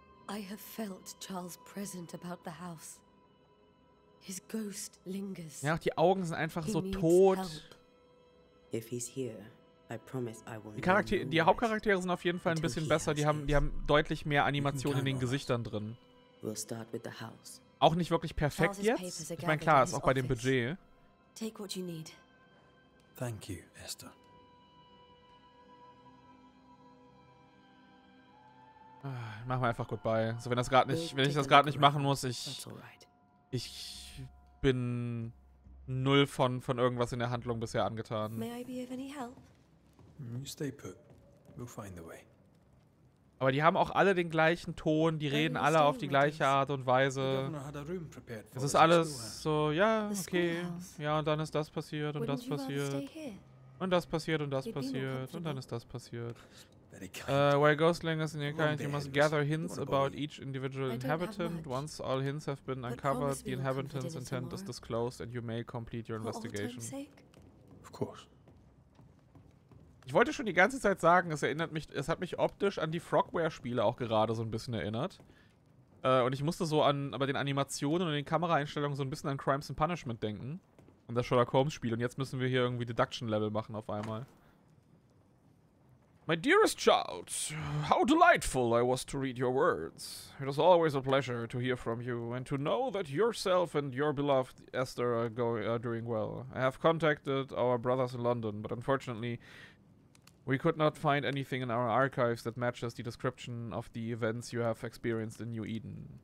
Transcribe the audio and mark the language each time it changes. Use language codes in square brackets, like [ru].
[en] I have felt Charles present about the house. His ghost lingers. [de] Ja, auch die Augen sind einfach so tot. [en] If he's here, I promise I will. [de] Die Hauptcharaktere sind auf jeden Fall ein bisschen besser. Die haben deutlich mehr Animation in den Gesichtern drin. [en] We'll start with the house. [de] Auch nicht wirklich perfekt jetzt. Ich meine, klar, ist auch bei dem Budget. [en] Take what you need. Thank you, Esther. [de] Ich mach mal einfach goodbye. So, wenn das gerade nicht, wenn ich das gerade nicht machen muss, ich bin null von irgendwas in der Handlung bisher angetan. [en] May I be of any help? You stay put. We'll find the way. [de] Aber die haben auch alle den gleichen Ton, die reden alle auf die gleiche Art und Weise. Es ist alles so, ja, okay. Ja, und dann ist das passiert und das passiert. Und das passiert und das passiert. Und dann ist das passiert. [en] While ghostlingers in your kind, you must gather hints about each individual inhabitant. Once all hints have been uncovered, the inhabitant's intent is disclosed and you may complete your investigation. Of course. [de] Ich wollte schon die ganze Zeit sagen, es hat mich optisch an die Frogware-Spiele auch gerade so ein bisschen erinnert. Und ich musste so an bei den Animationen und den Kameraeinstellungen so ein bisschen an Crimes and Punishment denken. An das Sherlock Holmes-Spiel. Und jetzt müssen wir hier irgendwie Deduction-Level machen auf einmal. [en] My dearest child, how delightful I was to read your words. It is always a pleasure to hear from you and to know that yourself and your beloved Esther are doing well. I have contacted our brothers in London, but unfortunately, we could not find anything in our archives that matches the description of the events you have experienced in New Eden.